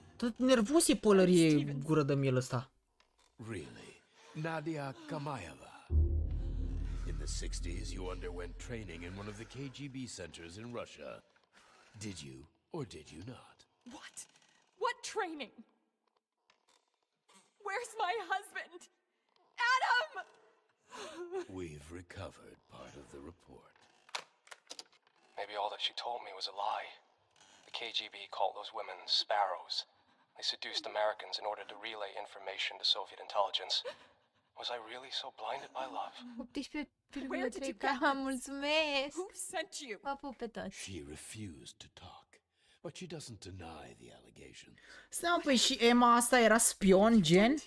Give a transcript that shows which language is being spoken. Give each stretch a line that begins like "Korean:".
Romanian: Tot nervos e pălărie gură de miel ăsta.
English: Really? Nadia Kamayeva. In the 60s you underwent training in one of the KGB centers in Russia. Did you or did you not? What? What training? Where's my husband? Adam! We've recovered part of the report. Maybe all that she told me was a lie. The KGB called those women sparrows. They seduced Americans in order to relay information to Soviet intelligence. Was I really so blinded by love? Where did you get this?
Romanian: Mulțumesc.
English: Who sent you? She refused to talk, but she doesn't deny the allegations.
Romanian: Stai, păi și Emma asta era spion, gen?